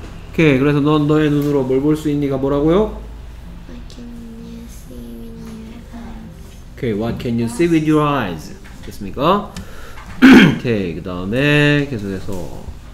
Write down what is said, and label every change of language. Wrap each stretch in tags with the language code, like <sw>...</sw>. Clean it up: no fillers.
<ko>Okay, 그래서 넌 너의 눈으로 뭘 볼 수 있니가 뭐라고요?</ko> <en>What can you see with your eyes? Okay, what can you see with your eyes?</en> <ko>됐습니까? Okay, 그 다음에 계속해서</ko>